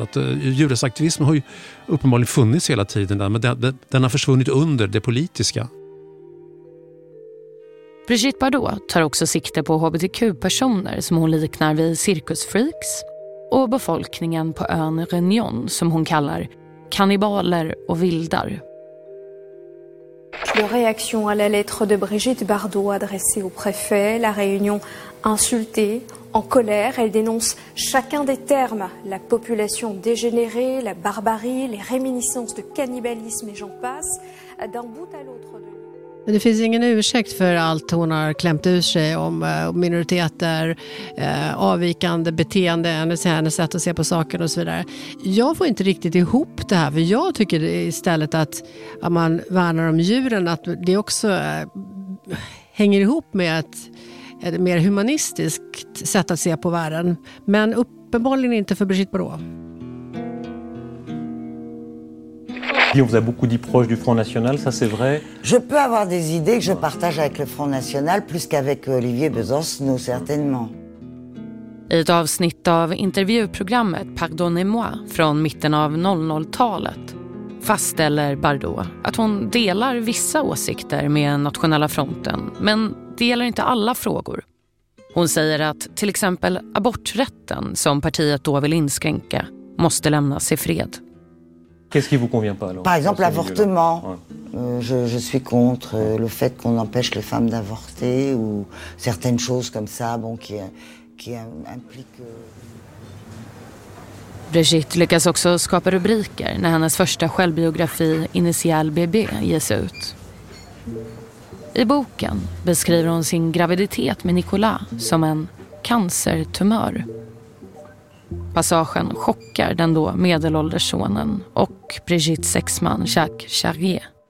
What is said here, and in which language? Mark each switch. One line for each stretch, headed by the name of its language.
Swedish: Att djurrättsaktivismen har ju uppenbarligen funnits hela tiden där, men den har försvunnit under det politiska. Brigitte Bardot tar också sikte på hbtq-personer som hon liknar vid cirkusfreaks och befolkningen på ön Réunion som hon kallar kannibaler och vildar.
French: La réaction à la lettre de Brigitte Bardot adressée au préfet, la Réunion insultée, en colère, elle dénonce chacun des termes, la population dégénérée, la barbarie, les réminiscences de cannibalisme et j'en passe, d'un bout à l'autre.
Swedish: Men det finns ingen ursäkt för allt hon har klämt ur sig om minoriteter, avvikande beteende, hennes sätt att se på saker och så vidare. Jag får inte riktigt ihop det här, för jag tycker istället att man värnar om djuren, att det också hänger ihop med ett mer humanistiskt sätt att se på världen. Men uppenbarligen inte för Brigitte Bardot.
French: Vous avez beaucoup dit proche du Front National, ça c'est vrai. Je peux avoir des idées que je partage avec le Front National plus qu'avec Olivier Besancenot, certainement.
Swedish: I ett avsnitt av intervjuprogrammet Pardonnez-moi från mitten av 00-talet fastställer Bardot att hon delar vissa åsikter med Nationella fronten, men det gäller inte alla frågor. Hon säger att till exempel aborträtten, som partiet då vill inskränka, måste lämnas i fred.
French: Qu'est-ce qui vous convient pas alors? Par exemple l'avortement. Je suis contre le fait qu'on empêche les femmes d'avorter ou certaines choses comme ça, bon qui implique.
Swedish: Brigitte lyckas också skapa rubriker när hennes första självbiografi Initial BB ges ut. I boken beskriver hon sin graviditet med Nicolas som en cancertumör. Passagen chockar den då medelålderssonen och Brigittes sexman Jacques Charrier.